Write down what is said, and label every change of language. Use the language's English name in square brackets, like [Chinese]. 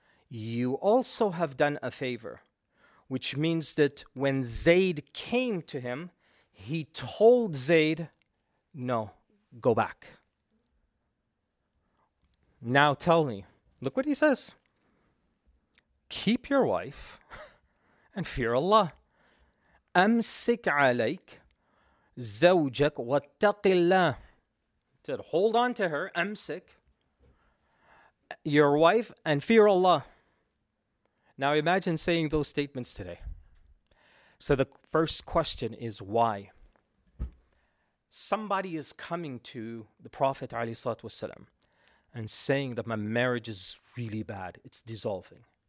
[English] you also have done a favor, which means that when Zayd came to him, he told Zayd, no, go back. Now tell me, look what he says. Keep your wife and fear Allah. [Arabic] أمسك عليك زوجك واتق الله. [English] Said, hold on to her, أمسك, your wife, and fear Allah. Now imagine saying those statements today. So the first question is why? Somebody is coming to the Prophet ﷺ and saying that my marriage is really bad, it's dissolving.